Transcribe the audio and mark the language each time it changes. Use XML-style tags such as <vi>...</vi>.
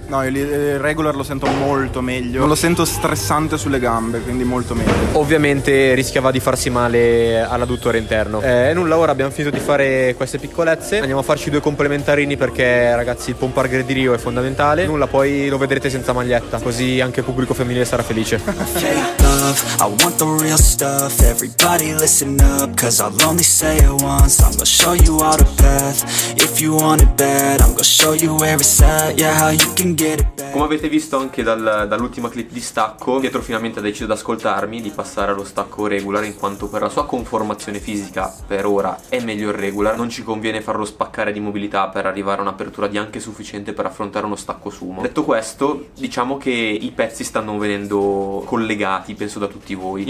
<it>No, il regular lo sento molto meglio, non lo sento stressante sulle gambe, quindi molto meglio. Ovviamente rischiava di farsi male all'adduttore interno. E nulla, ora abbiamo finito di fare queste piccolezze, andiamo a farci due complementarini, perché ragazzi il pompa tigre di Rio è fondamentale. Nulla, poi lo vedrete senza maglietta, così anche il pubblico femminile sarà felice.</it> <en>I want the real stuff, everybody listen up, cause I'll only say it once. I'm gonna show you all the path, if you want it bad, I'm gonna show you where it's at, yeah, how you can get it back.</en> <it>Come avete visto anche dall'ultima clip di stacco, Pietro finalmente ha deciso di ascoltarmi, di passare allo stacco regular, in quanto per la sua conformazione fisica per ora è meglio il regular. Non ci conviene farlo spaccare di mobilità per arrivare a un'apertura di anche sufficiente per affrontare uno stacco sumo. Detto questo, diciamo che i pezzi stanno venendo collegati, penso, da tutti voi.</it>